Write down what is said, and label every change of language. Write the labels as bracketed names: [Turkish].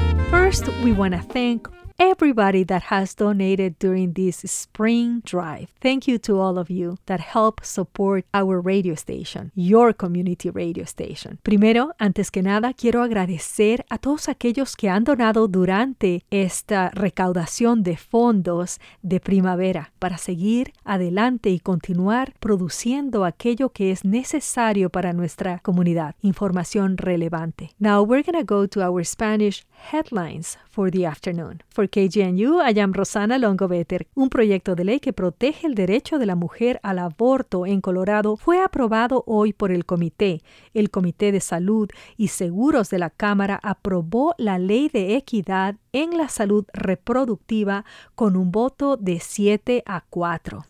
[English] First, we want to thank everybody that has donated during this spring drive. Thank you to all of you that help support our radio station, your community radio station. [Spanish] Primero, antes que nada, quiero agradecer a todos aquellos que han donado durante esta recaudación de fondos de primavera para seguir adelante y continuar produciendo aquello que es necesario para nuestra comunidad, información relevante. [English] Now we're going to go to our Spanish headlines for the afternoon. For KGNU, I am Rosana Longobetter. [Spanish] Un proyecto de ley que protege el derecho de la mujer al aborto en Colorado fue aprobado hoy por el Comité de Salud y Seguros de la Cámara aprobó la Ley de Equidad en la Salud Reproductiva con un voto de 7-4.